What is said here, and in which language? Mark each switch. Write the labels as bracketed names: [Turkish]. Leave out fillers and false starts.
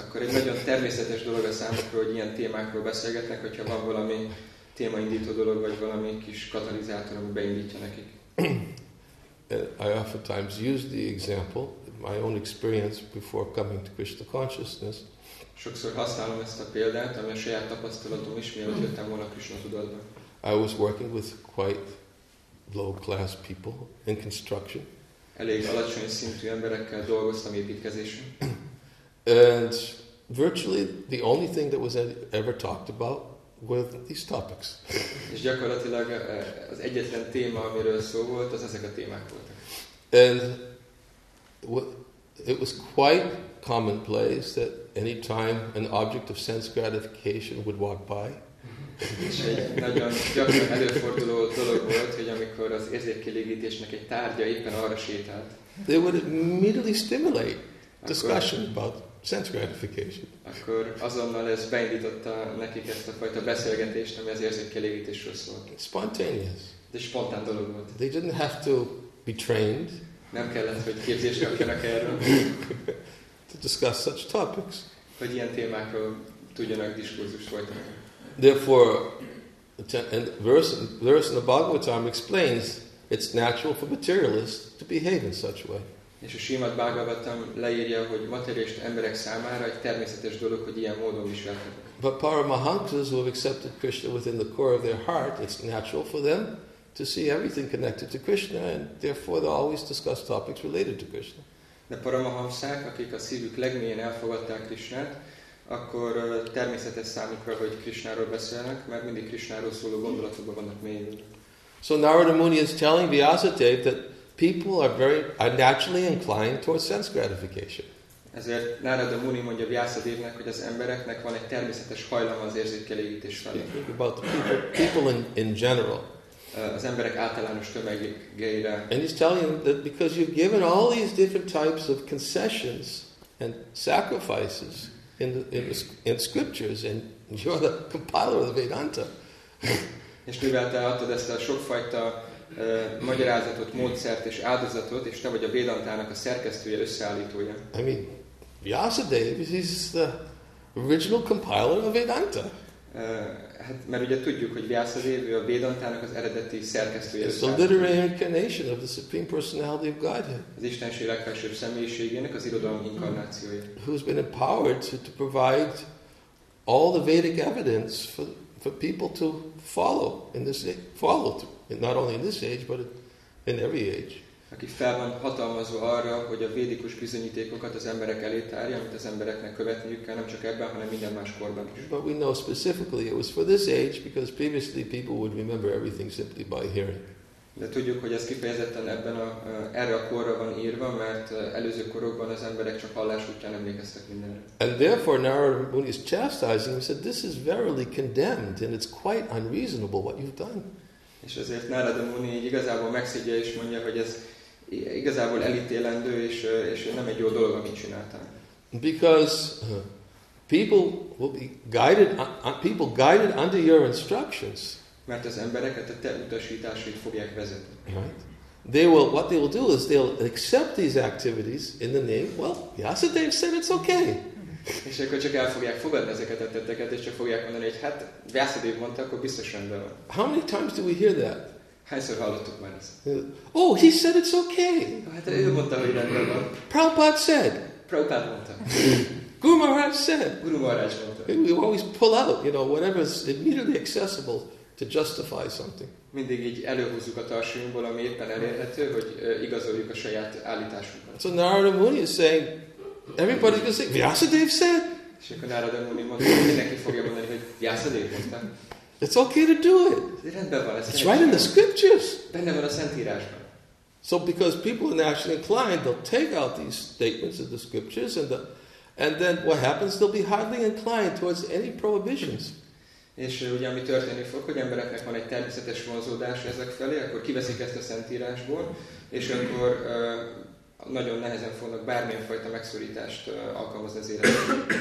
[Hungarian] Akkor egy nagyon természetes dolog a számukra, hogy ilyen témákról beszélgetnek, hogyha van valami témaindító dolog, vagy valami kis katalizátor, ami beindítja nekik. [English] I oftentimes use the example, my own experience before coming to Krishna consciousness. [Hungarian] Sokszor használom ezt a példát, ami a saját tapasztalatom is, mielőtt jöttem volna Krishna tudatba. [English] I was working with quite low-class people in construction. [Hungarian] Elég alacsony szintű emberekkel dolgoztam építkezésen. [English] And virtually the only thing that was ever talked about were these topics. [Hungarian] És gyakorlatilag az egyetlen téma, amiről szó volt, az ezek a témák voltak. [English] And it was quite commonplace that any time an object of sense gratification would walk by. [Hungarian] És egy nagyon gyakran előforduló dolog volt, hogy amikor az érzékkielégítésnek egy tárgya éppen arra sétált, [English] they would immediately stimulate discussion about sense gratification. [Hungarian] Akkor azonnal ez beindította nekik ezt a fajta beszélgetést, ami az érzékkielégítésről szólt. [English] Spontaneous. [Hungarian] De spontán dolog volt. [English] They didn't have to be trained. [Hungarian] Nem kellett, hogy képzést kapjanak erről. [English] To discuss such topics. [Hungarian] Hogy ilyen témákról tudjanak diskurzust folytatni. [English] Therefore, and verse in the Bhagavatam explains it's natural for materialists to behave in such a way. [Hungarian] És a Srimad Bhagavatam leírja, hogy materialist emberek számára egy természetes dolog, hogy ilyen módon viselkednek. [English] But paramahansas who have accepted Krishna within the core of their heart, it's natural for them to see everything connected to Krishna, and therefore they always discuss topics related to Krishna. [Hungarian] De paramahansák, akik a szívük legmélyén elfogadták Krishnát, akkor természetes számukra, hogy Krishnáról beszélnek, mert mindig Krishnáról szóló gondolatokban vannak mélyül. [English] So Narada Muni is telling Vyasadeva that people are very naturally inclined towards sense gratification. [Hungarian] Ezért Narada Muni mondja Vyasadevnek, hogy az embereknek van egy természetes hajlama az érzékelégítés felé. [English] About people in general. [Hungarian] Az emberek általános tömegére. [English] And he's telling them that because you've given all these different types of concessions and sacrifices in scriptures, and you're the compiler of the Vedanta. [Hungarian] És mivel te adtad ezt a sokfajta magyarázatot, módszert és áldozatot, és te vagy a Vedantának a szerkesztője, összeállítója. [English] I mean, Vyasadeva is the original compiler of Vedanta. [Hungarian] Hát, mert ugye tudjuk, hogy Vyasadeva a Vedantának az eredeti szerkesztője. [English] It's the literary incarnation of the Supreme Personality of Godhead. [Hungarian] Az Istenség legfelsőbb személyiségének az irodalmi inkarnációja. [English] Who's been empowered to provide all the Vedic evidence for people to follow in this age, not only in this age, but in every age. [Hungarian] Aki fel van hatalmazva arra, hogy a védikus bizonyítékokat az emberek elé tárja, amit az embereknek követniük kell, nem csak ebben, hanem minden más korban. [English] But we know specifically it was for this age, because previously people would remember everything simply by hearing. [Hungarian] De tudjuk, hogy ez kifejezetten ebben a, erre a korra van írva, mert előző korokban az emberek csak hallás útján emlékeztek mindenre. [English] And therefore Narada Muni is chastising him, said, this is verily condemned, and it's quite unreasonable what you've done. [Hungarian] És ezért Narada Muni igazából megszidja és mondja, hogy ez igazából elítélendő, és nem egy jó dolog, amit csináltam. [English] Because people will be guided, people guided under your instructions. [Hungarian] Mert az embereket a te utasításait fogják vezetni. [English] Right. They will, what they will do is they'll accept these activities in the name, well, Vyasadeva said it's okay. [Hungarian] És akkor csak el fogják fogadni ezeket a tetteket, és csak fogják mondani, hogy hát Vyasadeva mondta, akkor biztos rendben van. [English] How many times do we hear that? [Hungarian] Hányszor hallottuk már ezt? [English] Oh, he said it's okay. [Hungarian] Hát ő mondta, hogy rendben van. [English] Prabhupada said. [Hungarian] Prabhupada mondta. [English] Guru Maharaj said. [Hungarian] Guru Maharaj mondta. [English] And we always pull out, you know, whatever is immediately accessible to justify something. [Hungarian] Mindig így előhúzzuk a tarsajunkból, ami éppen elérhető, hogy igazoljuk a saját állításunkat. [English] So Narada Muni is saying, everybody's going to say, Vyasadeva said. [Hungarian] És akkor Narada Muni mondta, hogy mindenki fogja mondani, hogy Vyasadeva mondta. [English] It's okay to do it. [Hungarian] Rendben van, [English] it's right in the scriptures. [Hungarian] Benne van a Szentírásban. [English] So because people are naturally inclined, they'll take out these statements of the scriptures and then what happens, they'll be hardly inclined towards any prohibitions. [Hungarian] És ugye ami történni fog, hogy embereknek van egy természetes vonzódás ezek felé, akkor kiveszik ezt a Szentírásból, és akkor nagyon nehezen fognak bármilyen fajta megszorítást alkalmazni az életben.